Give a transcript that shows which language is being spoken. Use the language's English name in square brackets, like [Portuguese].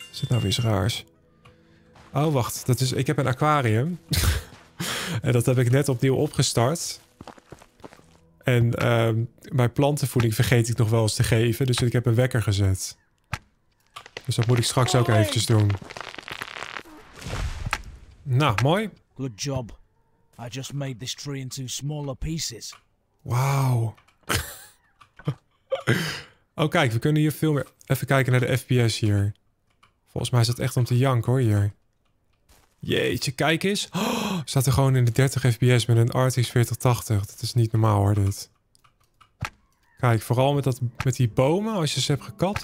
[Dutch] Is dit nou weer iets raars? Oh, wacht. Dat is... Ik heb een aquarium. En dat heb ik net opnieuw opgestart. En mijn plantenvoeding vergeet ik nog wel eens te geven. Dus ik heb een wekker gezet. Dus dat moet ik straks ook eventjes doen. Nou, mooi. [English] Good job. I just made this tree into smaller pieces. [Dutch] Wauw. Oh, kijk, we kunnen hier veel meer. Even kijken naar de FPS hier. Volgens mij is dat echt om te janken hoor hier. Jeetje, kijk eens. Oh, staat er gewoon in de 30 FPS met een RTX 4080. Dat is niet normaal hoor, dit. Kijk, vooral met die bomen, als je ze hebt gekapt.